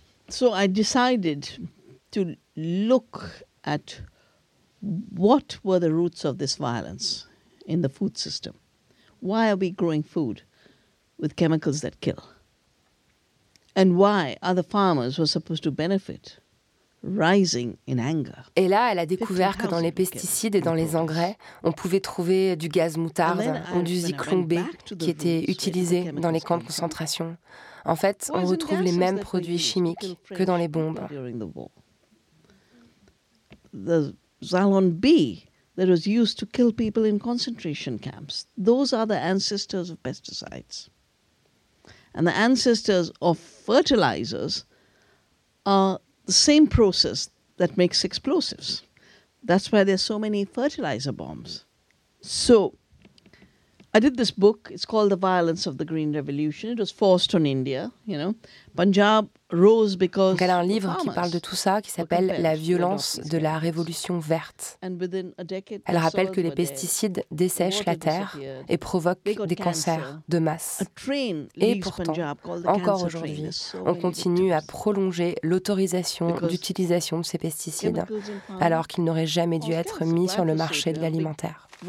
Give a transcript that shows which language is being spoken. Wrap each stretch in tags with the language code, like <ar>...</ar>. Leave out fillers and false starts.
<en>So I decided to look at what were the roots of this violence in the food system. Why are we growing food with chemicals that kill? And why are the farmers who are supposed to benefit rising in anger?</en> <fr>Et là, elle a découvert que dans les pesticides et dans les engrais, on pouvait trouver du gaz moutarde ou du zyklon B qui était utilisé dans les camps de concentration. En fait, on retrouve les mêmes produits chimiques que dans les bombes.</fr> <en>The Zylon B that was used to kill people in concentration camps, those are the ancestors of pesticides. And the ancestors of fertilizers are the same process that makes explosives. That's why there are so many fertilizer bombs. So I did this book. It's called The Violence of the Green Revolution. It was forced on India, you know. Punjab rose because</en> <fr>Donc elle a un livre qui parle de tout ça, qui s'appelle La violence de la révolution verte. Elle rappelle que les pesticides dessèchent la terre et provoquent des cancers de masse. Et pourtant, encore aujourd'hui, on continue à prolonger l'autorisation d'utilisation de ces pesticides alors qu'ils n'auraient jamais dû être mis sur le marché de l'alimentaire.</fr>